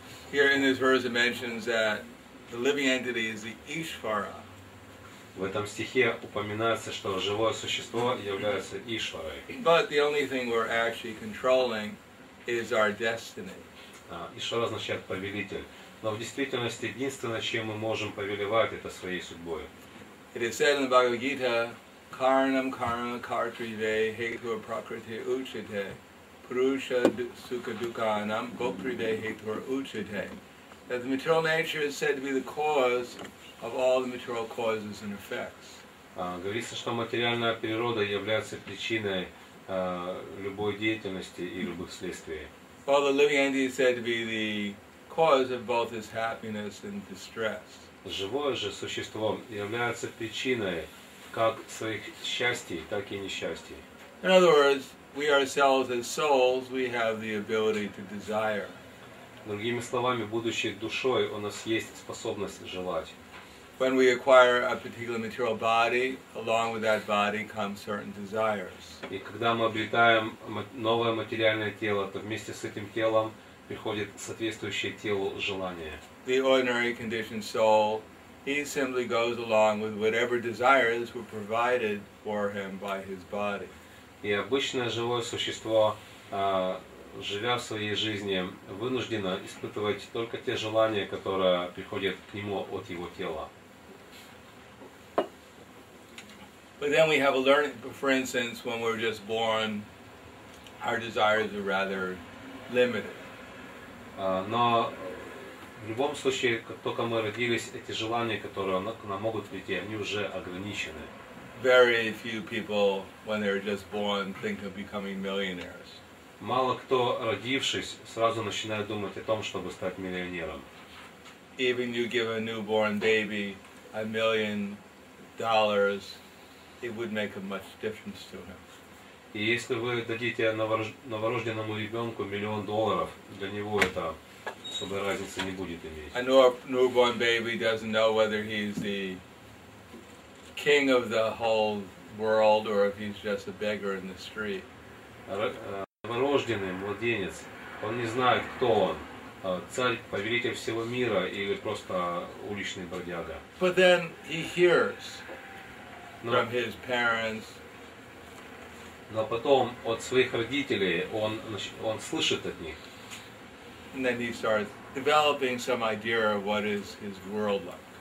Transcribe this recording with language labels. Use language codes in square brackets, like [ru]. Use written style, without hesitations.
[en] Here in this verse it mentions that the living entity is the Ishvara. [ru] В этом стихе упоминается, что живое существо является Ишварой. [en] But the only thing we're actually controlling is our destiny. [ru] Ишвара означает повелитель. Но в действительности единственное, чем мы можем повелевать, это своей судьбой. [en] It is said in the Bhagavad Gita, [sa] Karanam karma kartrive hetur prakriti uchite purusha sukadukanam gopride hetur uchite. [en] That the material nature is said to be the cause of all the material causes and effects. [ru] Говорится, что материальная природа является причиной любой деятельности и любых следствий. [en] Well, the living entity is said to be the cause of both his happiness and distress. [ru] Живое же существо является причиной как своих счастий, так и несчастий. [en] In other words, we ourselves as souls, we have the ability to desire. [ru] Другими словами, будучи душой, у нас есть способность желать. [en] When we acquire a particular material body, along with that body come certain desires. [ru] И когда мы обретаем новое материальное тело, то вместе с этим телом приходит соответствующее телу желание. [en] The ordinary conditioned soul, he simply goes along with whatever desires were provided for him by his body. [ru] И обычное живое существо живя в своей жизни, вынуждена испытывать только те желания, которые приходят к нему от его тела. [en] But then we have a learning, for instance, when we're just born, our desires are rather limited. [ru] Но в любом случае, как только мы родились, эти желания, которые к нам могут прийти, они уже ограничены. [en] Very few people, when they're just born, think of becoming millionaires. [ru] Мало кто, родившись, сразу начинает думать о том, чтобы стать миллионером. [en] Even you give a newborn baby $1 million, it would make a much difference to him. [ru] И если вы дадите новорожденному ребенку $1 million, для него это особой разницы не будет иметь. [en] A newborn baby doesn't know whether he's the king of the whole world or if he's just a beggar in the street. [ru] Новорожденный младенец, он не знает, кто он, царь, повелитель всего мира или просто уличный бродяга. [en] But then he hears from his parents. [ru] Но потом от своих родителей он слышит от них. [en] And then he starts developing some idea of what is his world like.